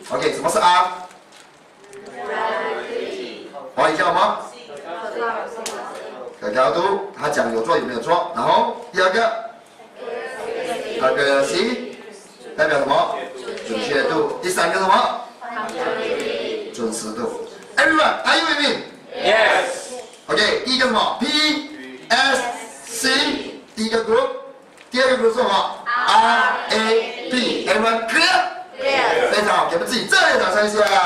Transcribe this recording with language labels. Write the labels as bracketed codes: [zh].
[zh] OK， 什么是 R？华语叫什么？可靠度，他讲有做有没有做。然后第二个 ，accuracy 代表什么？准确度。第三个什么？准时度。 [en] Everyone， are you with me？ Yes。 [zh] OK， 第一个什么 ？P S C， 第一个 group。第二个不是什么 ？RAP， [en] everyone clear？ Yes。 [zh] 非常好，给我们自己热烈掌声一下。